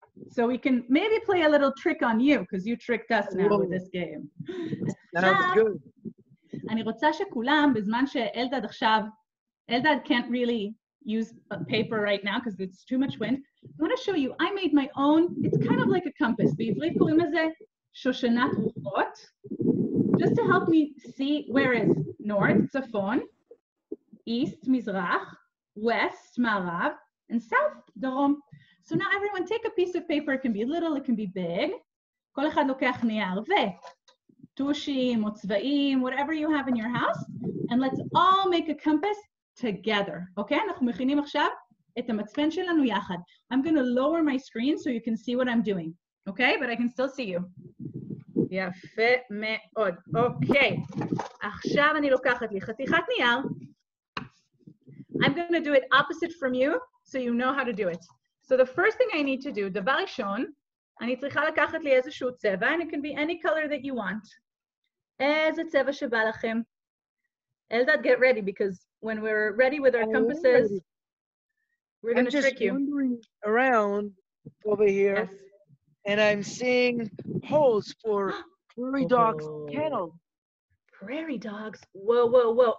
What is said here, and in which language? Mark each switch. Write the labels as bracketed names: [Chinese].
[English] So we can maybe play a little trick on you, because you tricked us now with this game. That was good. [Hebrew] אני רוצה שכולם, בזמן שאלדד עכשיו, [English] אלדד can't really use a paper right now because it's too much wind. I want to show you, I made my own, it's kind of like a compass. [Hebrew] בעברית קוראים לזה שושנת רוחות. [English] Just to help me see where is north, צפון, east, מזרח, west, מערב, and south, דרום. So now everyone take a piece of paper, it can be little, it can be big. [Hebrew] כל אחד לוקח נייר ו... [English] tushim, or tzvaim, whatever you have in your house, and let's all make a compass together, okay? [Hebrew] אנחנו מכינים עכשיו את המצפן שלנו יחד. [English] I'm going to lower my screen so you can see what I'm doing, okay? But I can still see you. [Hebrew] יפה מאוד. [English] Okay. [Hebrew] עכשיו אני לוקחת לי חתיכת נייר. [English] I'm going to do it opposite from you, so you know how to do it. So the first thing I need to do, [Hebrew] דבר ראשון, אני צריכה לקחת לי איזשהו צבע, [English] and it can be any color that you want. [Hebrew] איזה צבע שבא לכם? [English] Eldad, get ready, because when we're ready with our compasses, we're going to trick you. I'm just wandering around over here, yes. And I'm seeing holes for prairie dogs' kennel. Prairie dogs? Whoa, whoa, whoa.